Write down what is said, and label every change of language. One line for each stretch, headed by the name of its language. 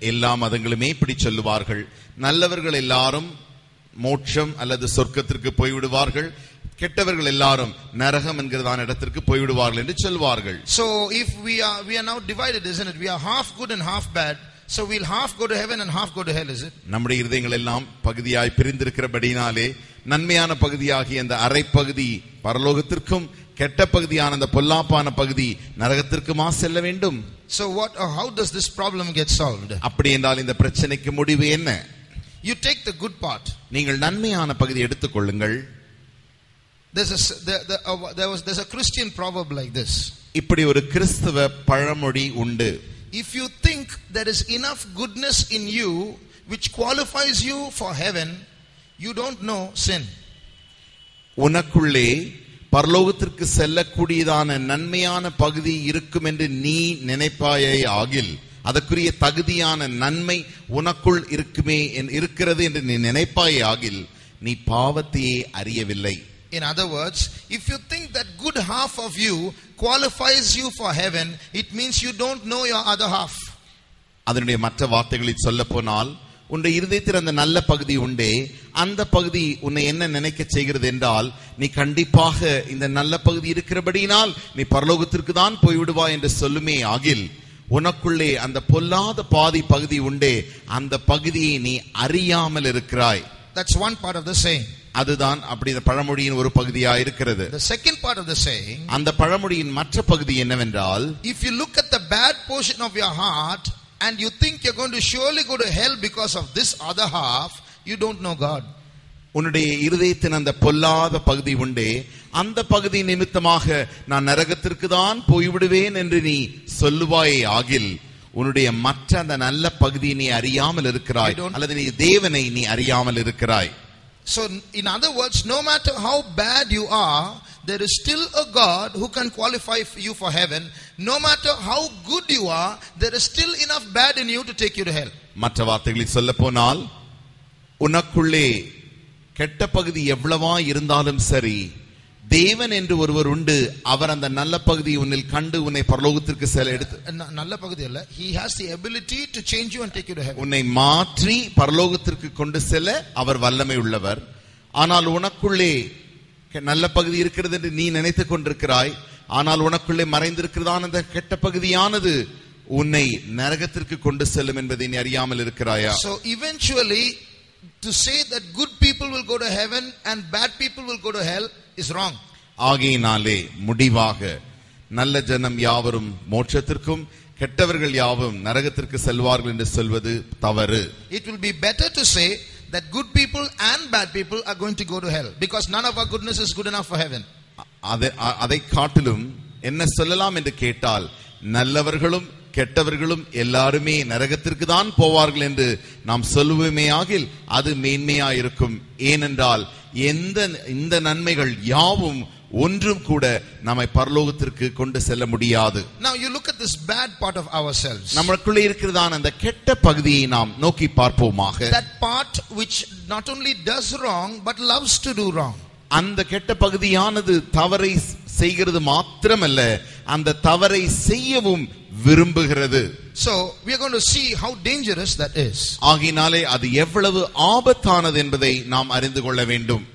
Tamil: எல்லா மதங்களுமே இப்படி சொல்லுவார்கள், நல்லவர்கள் எல்லாரும் மோட்சம் அல்லது சொர்க்கத்திற்கு போய்விடுவார்கள், கெட்டவர்கள் எல்லாரும் நரகம் என்கிறதான இடத்திற்கு போய்விடுவார்கள் என்று சொல்வார்கள்.
English: So if we are now divided, isn't it? We are half good and half bad. So we'll half go to heaven and half go to hell, is it?
Tamil: நம்முடைய இருதயங்கள் எல்லாம் பகுதியாய் பிரிந்திருக்கிறபடியாலே நன்மையான பகுதியாகிய அந்த அரைப்பகுதி பரலோகத்திற்கும் கெட்ட பகுதியான அந்த பொல்லாப்பான பகுதி நரகத்திற்குமா செல்ல வேண்டும்?
English: So what, how does this problem get solved?
Tamil: அப்படி என்றால் இந்த பிரச்சனைக்கு முடிவு என்ன?
English: You take the good part.
Tamil: நீங்கள் நன்மையான பகுதி எடுத்துக் கொள்ளுங்கள்.
English: There's a Christian proverb like this.
Tamil: இப்படி ஒரு கிறிஸ்தவ பழமொழி உண்டு.
English: If you think there is enough goodness in you which qualifies you for heaven, you don't know sin.
Tamil: உனக்குள்ளே பரலோகத்திற்கு செல்லக்கூடியதான நன்மையான பகுதி இருக்கும் என்று நீ நினைப்பாயே ஆகில், அதற்குரிய தகுதியான நன்மை உனக்குள் இருக்கிறது என்று நீ நினைப்பாயே ஆகில், நீ பாவத்தையே அறியவில்லை.
English: In other words, if you think that good half of you qualifies you for heaven, it means you don't know your other half.
Tamil: அதனுடைய மற்ற வார்த்தைகளில் சொல்லப்போனால், உன்னுடைய இருதயத்தில் அந்த நல்ல பகுதி உண்டே, அந்த பகுதி உன்னை என்ன நினைக்க செய்கிறது என்றால், நீ கண்டிப்பாக இந்த நல்ல பகுதி இருக்கிறபடியினால் நீ பரலோகத்திற்கு தான் போய்விடுவாய் என்று சொல்லுமே ஆகில், உனக்குள்ளே அந்த பொல்லாத பாதி பகுதி உண்டே, அந்த பகுதியை நீ அறியாமல் இருக்கிறாய்.
English: That's one part of the saying.
Tamil: அதுதான் அப்படி இந்த பழமொழியின் ஒரு பகுதியா இருக்கிறது.
English: The second part of the saying,
Tamil: அந்த பழமொழியின் மற்ற பகுதி என்னவென்றால்,
English: If you look at the bad portion of your heart and you think you're going to surely go to hell because of this other half, you don't know God.
Tamil: உன்னுடைய இருதயத்தின் அந்த பொல்லாத பகுதி உண்டே, அந்த பகுதி நிமித்தமாக நான் நரகத்திற்கு தான் போய்விடுவேன் என்று நீ சொல்லுவாயே ஆகில், உன்னுடைய மற்ற அந்த நல்ல பகுதியை நீ அறியாமல் இருக்கிறாய், அல்லது நீ தேவனை நீ அறியாமல் இருக்கிறாய்.
English: So in other words, no matter how bad you are, there is still a God who can qualify you for heaven. No matter how good you are, there is still enough bad in you to take you to hell.
Tamil: மற்ற வார்த்தைகளில் சொல்லப்போனால், உனக்குள்ளே கெட்ட பகுதி எவ்வளவா இருந்தாலும் சரி, தேவன் என்று ஒருவர் உண்டு, அவர் அந்த நல்ல பகுதி உன்னில் கண்டு உன்னை பரலோகத்திற்கு செல்ல எடுத்து, நல்ல பகுதி அல்ல,
English: he has the ability to change you and take you to heaven.
Tamil: உன்னை மாற்றி பரலோகத்திற்கு கொண்டு செல்ல அவர் வல்லமை உள்ளவர். ஆனால் உனக்குள்ளே நல்ல பகுதி இருக்கிறது என்று நீ நினைத்துக் கொண்டிருக்கிறாய், ஆனால் உனக்குள்ளே மறைந்திருக்கிறதான அந்த கெட்ட பகுதியானது உன்னை நரகத்திற்கு கொண்டு செல்லும் என்பதை நீ அறியாமல் இருக்கிறாயா?
English: So eventually to say that good people will go to heaven and bad people will go to hell is wrong.
Tamil: ஆகையினாலே முடிவாக நல்ல ஜனம் யாவரும் மோட்சத்திற்கும் கெட்டவர்கள் யாவரும் நரகத்திற்கு செல்வார்கள் என்று சொல்வது தவறு.
English: It will be better to say that good people and bad people are going to go to hell because none of our goodness is good enough for heaven.
Tamil: அதை காட்டிலும் என்ன சொல்லலாம் என்று கேட்டால், நல்லவர்களும் கெட்டவர்களும் எல்லாருமே நரகத்திற்கு தான் போவார்கள் என்று நாம் சொல்லுவோமே ஆகில், அது மேன்மையாயிருக்கும். ஏனென்றால் இந்த நன்மைகள் யாவும் ஒன்றும் கூட நம்மை பரலோகத்திற்கு கொண்டு செல்ல முடியாது.
English: Now you look at this bad part of ourselves.
Tamil: நமக்குள்ளே இருக்கிறதான அந்த கெட்ட பகுதியை நாம் நோக்கி பார்ப்போமாக.
English: That part which not only does wrong but loves to do wrong.
Tamil: அந்த கெட்ட பகுதியானது தவறை செய்கிறது மாத்திரமல்ல, அந்த தவறை செய்யவும் விரும்புகிறது.
English: So we are going to see how dangerous that is.
Tamil: ஆகினாலே அது எவ்வளவு ஆபத்தானது என்பதை நாம் அறிந்து கொள்ள வேண்டும்.